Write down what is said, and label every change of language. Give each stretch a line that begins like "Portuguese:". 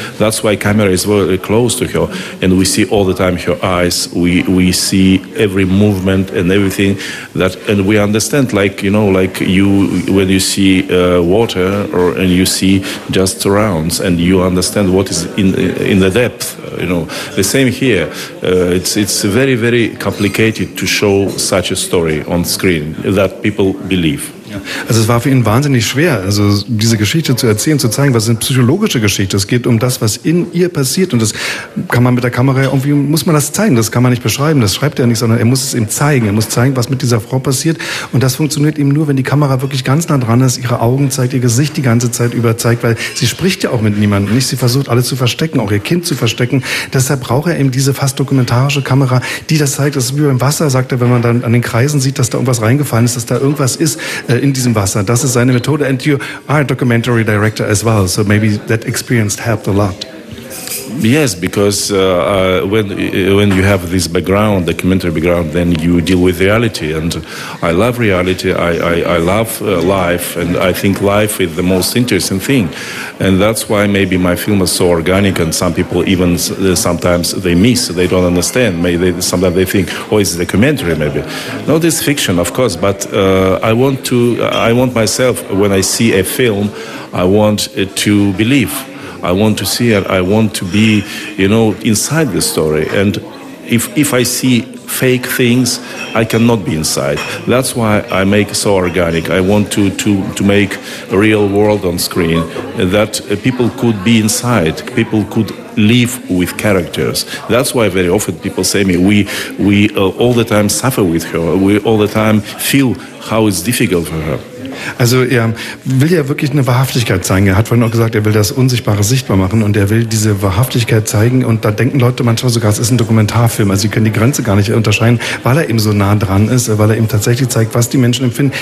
English: That's why camera is very close to her, and we see all the time her eyes, we see every movement and everything that, and we understand, like, you know, like you, when you see water, or and you see just surrounds, and you understand what is in the depth, you know. The same here, it's very, very complicated to show such a story on screen that people believe.
German: Also es war für ihn wahnsinnig schwer, also diese Geschichte zu erzählen, zu zeigen, was ist eine psychologische Geschichte. Es geht um das, was in ihr passiert, und das kann man mit der Kamera irgendwie, muss man das zeigen, das kann man nicht beschreiben, das schreibt er nicht, sondern er muss es ihm zeigen, er muss zeigen, was mit dieser Frau passiert, und das funktioniert eben nur, wenn die Kamera wirklich ganz nah dran ist, ihre Augen zeigt, ihr Gesicht die ganze Zeit über zeigt, weil sie spricht ja auch mit niemandem nicht, sie versucht alles zu verstecken, auch ihr Kind zu verstecken. Deshalb braucht er eben diese fast dokumentarische Kamera, die das zeigt. Das ist wie beim Wasser, sagt er, wenn man dann an den Kreisen sieht, dass da irgendwas reingefallen ist, dass da irgendwas ist in diesem Wasser. Das ist seine Methode.
English: And you are a documentary director as well, so maybe that experience helped a lot. Yes, because when you have this background, documentary background, then you deal with reality. And I love reality. I love life, and I think life is the most interesting thing. And that's why maybe my film is so organic, and some people even sometimes they miss, they don't understand. Maybe they, sometimes they think, oh, it's a documentary, maybe. No, this fiction, of course. But I want myself, when I see a film, I want to believe. I want to see it. I want to be, you know, inside the story. And if I see fake things, I cannot be inside. That's why I make so organic. I want to make a real world on screen that people could be inside. People could live with characters. That's why very often people say to me, we all the time suffer with her. We all the time feel how it's difficult for her.
German: Also er will ja wirklich eine Wahrhaftigkeit zeigen. Er hat vorhin auch gesagt, er will das Unsichtbare sichtbar machen, und er will diese Wahrhaftigkeit zeigen, und da denken Leute manchmal sogar, es ist ein Dokumentarfilm. Also sie können die Grenze gar nicht unterscheiden, weil er eben so nah dran ist, weil er eben tatsächlich zeigt, was die Menschen empfinden.